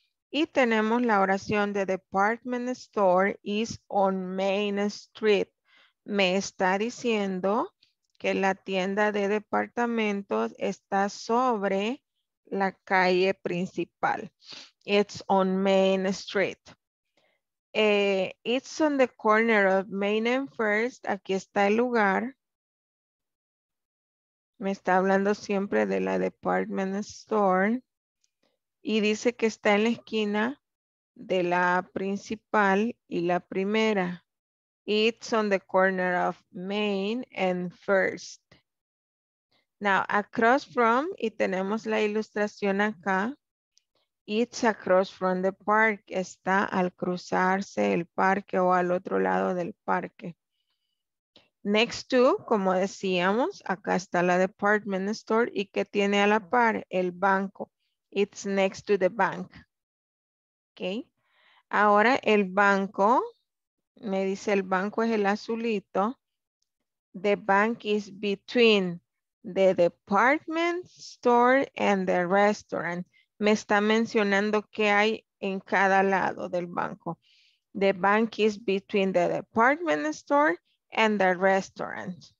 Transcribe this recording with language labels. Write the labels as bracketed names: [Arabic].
[Spanish] Y tenemos la oración de [English] department store is on Main Street. [Spanish] Me está diciendo que la tienda de departamentos está sobre la calle principal. [English] It's on Main Street. It's on the corner of Main and First. [Spanish] Aquí está el lugar. Me está hablando siempre de la department store. Y dice que está en la esquina de la principal y la primera. [English] It's on the corner of Main and First. Now, across from, [Spanish] y tenemos la ilustración acá. [English] It's across from the park. [Spanish] Está al cruzarse el parque o al otro lado del parque. [English] Next to, [Spanish] como decíamos, acá está la department store. ¿Y qué tiene a la par? El banco. [English] It's next to the bank. [Spanish] Okay. Ahora el banco, me dice el banco es el azulito. [English] The bank is between the department store and the restaurant. [Spanish] Me está mencionando qué hay en cada lado del banco. [English] The bank is between the department store and the restaurant.